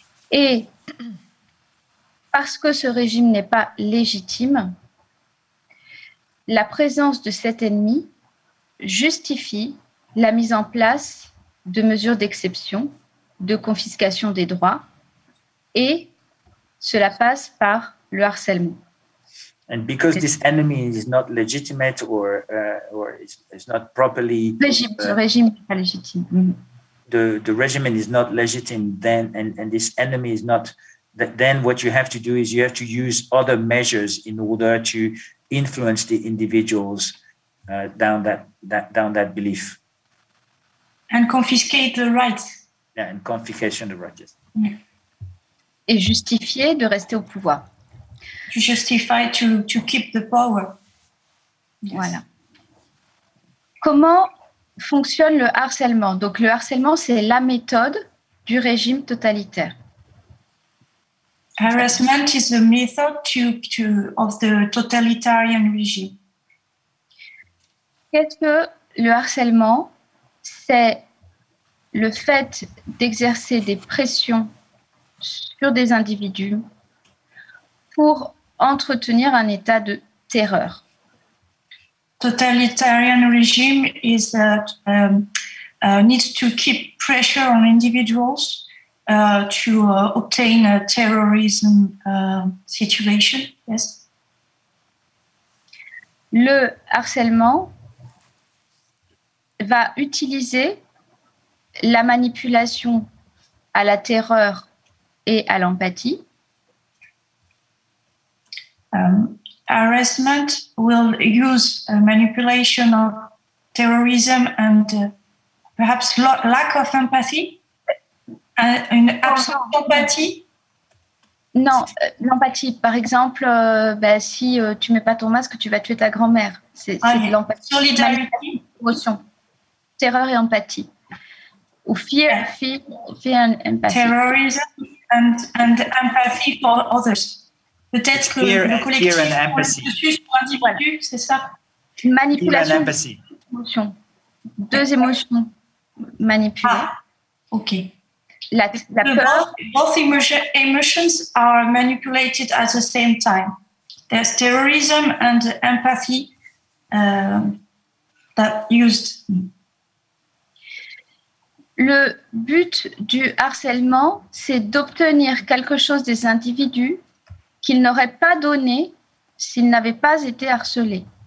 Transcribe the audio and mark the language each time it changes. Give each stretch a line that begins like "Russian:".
French: Et parce que ce régime n'est pas légitime, la présence de cet ennemi justifie la mise en place de mesures d'exception, de confiscation des droits, et cela passe par le harcèlement.
English: And because this enemy is not legitimate or is not properly
French: le régime n'est pas légitime.
English: The regime is not legitime then and this enemy is not that then what you have to do is you have to use other measures in order to influence the individuals down that belief. And confiscate the rights. Yeah, and confiscation of the rights. Yes.
French: Et justifier de rester au pouvoir.
English: To justify to keep the power. Yes.
French: Voilà. Comment fonctionne le harcèlement? Donc le harcèlement, c'est la méthode du régime totalitaire.
English: Harassment is a method of the totalitarian regime.
French: Qu'est-ce que le harcèlement? C'est le fait d'exercer des pressions sur des individus pour entretenir un état de terreur.
English: Totalitarian regime is that needs to keep pressure on individuals. To obtain a terrorism situation, yes.
French: Le harcèlement va utiliser la manipulation à la terreur et à l'empathie.
English: Harassment will use a manipulation of terrorism and perhaps lack of empathy.
French: Une absence d'empathie? Non, l'empathie. Par exemple, si tu ne mets pas ton masque, tu vas tuer ta grand-mère. C'est de l'empathie. Solidarité. Émotion. Terreur et empathie. Ou
English: fear, yeah. fear and empathy. Terrorism and empathy for others.
French: Peut-être que le collectif
English: fear and empathy.
French: C'est ça. Manipulation. Émotion. Deux émotions manipulées. Ah, OK. La peur.
English: Both emotions are manipulated at the same time. There's terrorism and empathy that used.
French: Le but du harcèlement, c'est d'obtenir quelque chose des individus qu'ils n'auraient pas donné s'ils n'avaient pas été harcelés.